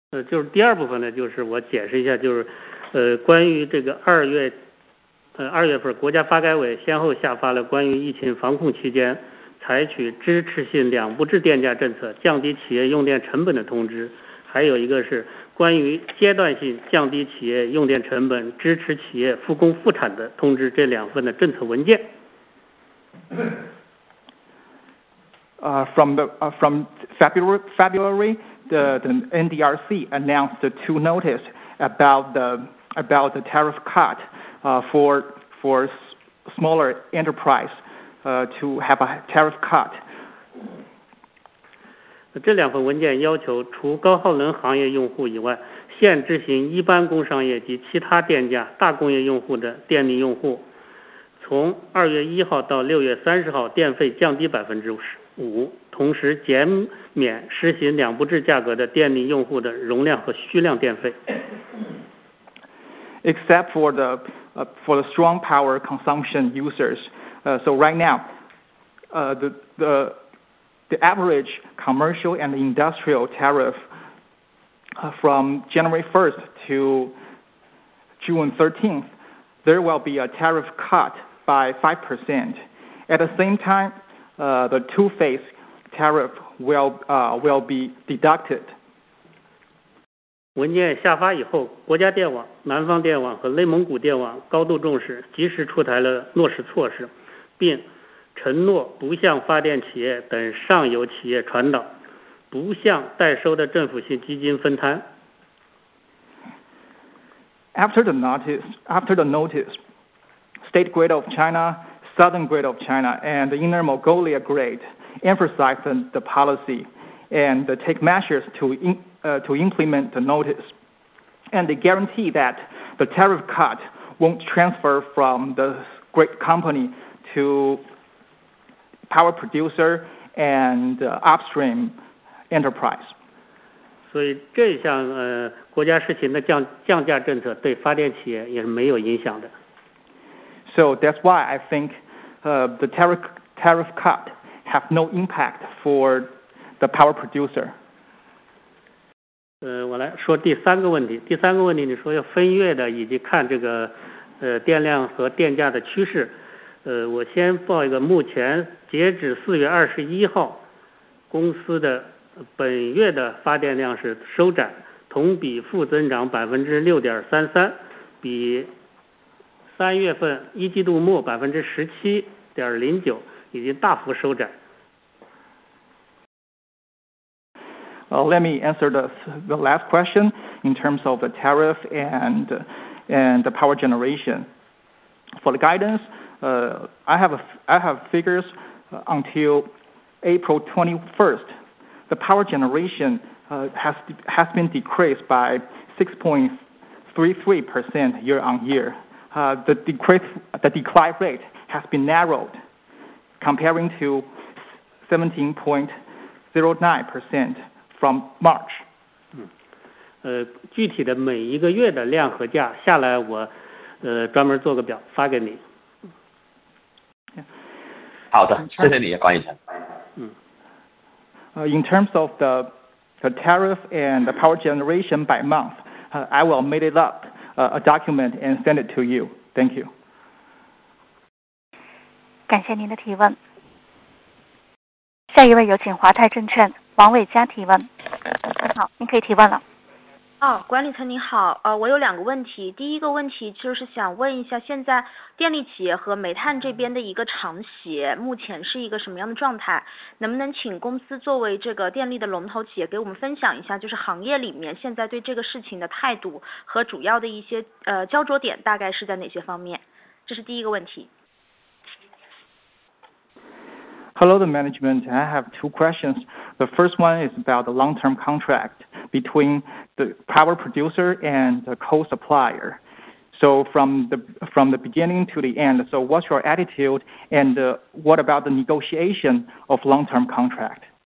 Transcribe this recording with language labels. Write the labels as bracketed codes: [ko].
[zh] 就是第二部分呢，就是我解释一下，就是关于这个二月份国家发改委先后下发了关于疫情防控期间采取支持性两不制电价政策降低企业用电成本的通知，还有一个是关于阶段性降低企业用电成本支持企业复工复产的通知，这两份的政策文件。 [en] From February, the NDRC announced the two notices about the tariff cut for smaller enterprise to have a tariff cut. [zh] 这两份文件要求除高耗能行业用户以外，现执行一般工商业及其他电价大工业用户的电力用户，从2月1号到6月30号电费降低5%，同时减免实行两不制价格的电力用户的容量和需量电费。 [en] Except for the for the strong power consumption users, so right now, the average commercial and industrial tariff from January 1st to June 13th, there will be a tariff cut by 5%. At the same time, the two-phase tariff will be deducted. [zh] 文件下发以后，国家电网、南方电网和内蒙古电网高度重视，及时出台了落实措施，并承诺不向发电企业等上游企业传导，不向代收的政府性基金分摊。 [en] After the notice, State Grid of China, Southern Grid of China, and Inner Mongolia Grid emphasize the policy and take measures to implement the notice, and they guarantee that the tariff cut won't transfer from the grid company to power producer and upstream enterprise. [zh] 所以这项国家实行的降价政策对发电企业也是没有影响的。 [en] So that's why I think the tariff cut have no impact for the power producer. [zh] 我来说第三个问题。第三个问题，你说要分月的，以及看这个，电量和电价的趋势。我先报一个，目前截止4月21号，公司的本月的发电量是收窄，同比负增长6.33%，比3月份一季度末17.09%已经大幅收窄。 [en] Let me answer the last question in terms of the tariff and the power generation. For the guidance, I have figures until April 21st. The power generation has been decreased by 6.33% year on year. The decline rate has been narrowed comparing to 17.09%. From March. [zh] 具体的每一个月的量和价下来我专门做个表发给你。好的，谢谢你关医生。 [en] In terms of the tariff and the power generation by month, I will make it up a document and send it to you. Thank you. [zh] 感谢您的提问。下一位有请华泰证券王伟佳提问。好，您可以提问了。管理层您好，我有两个问题。第一个问题就是想问一下，现在电力企业和煤炭这边的一个长协目前是一个什么样的状态，能不能请公司作为这个电力的龙头企业给我们分享一下，就是行业里面现在对这个事情的态度和主要的一些焦灼点大概是在哪些方面，这是第一个问题。 [en] Hello, the management. I have two questions. The first one is about the long-term contract between the power producer and the coal supplier. So from the beginning to the end, so what's your attitude and what about the negotiation of long-term contract?